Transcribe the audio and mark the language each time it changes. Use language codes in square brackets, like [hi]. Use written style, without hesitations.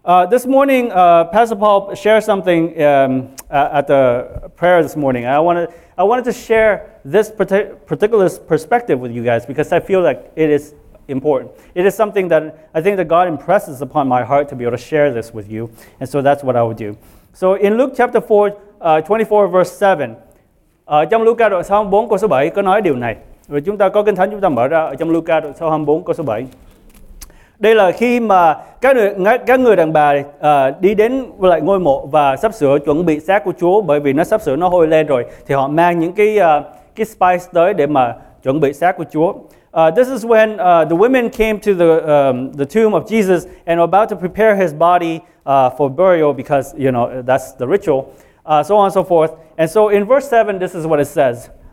[en] This morning, Pastor Paul shared something at the prayer this morning. I wanted to share this particular perspective with you guys because I feel like it is important. It is something that I think that God impresses upon my heart to be able to share this with you, and so that's what I will do. So in Luke chapter 4, 24 verse 7, [vi] trong Luca đoạn 24 câu số 7 có nói điều này. Rồi chúng ta có kinh thánh chúng ta mở ra ở trong Luca đoạn 24 câu số 7. Đây là khi mà các người đàn bà đi đến lại ngôi mộ và sắp sửa chuẩn bị xác của Chúa, bởi vì nó sắp sửa nó hôi lên rồi, thì họ mang những cái spice tới để mà chuẩn bị xác của Chúa. [en] This is when the women came to the tomb of Jesus and were about to prepare his body for burial because, you know, that's the ritual, so on and so forth. And so in verse 7, this is what it says.